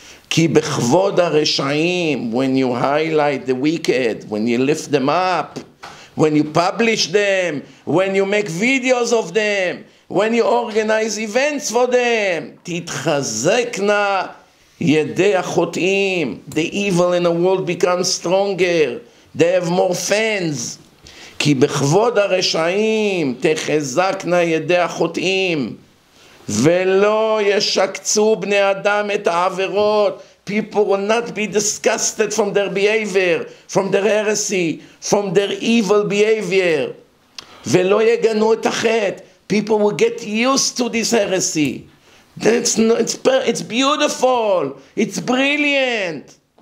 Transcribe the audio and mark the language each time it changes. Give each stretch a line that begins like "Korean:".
Hebrew: כי בכבוד הרשעים,
English: when you highlight the wicked, when you lift them up, when you publish them, when you make videos of them, when you organize events for them,
Hebrew: תתחזקנה ידי החוטאים,
English: the evil in the world becomes stronger, they have more fans.
Hebrew: כי בכבוד הרשעים תחזקנה ידי החוטאים ולא ישקצו בני אדם את העבירות.
English: People will not be disgusted from their behavior, from their heresy, from their evil behavior.
Hebrew: ולא יגנו את החטא.
English: People will get used to this heresy. It's beautiful. It's brilliant.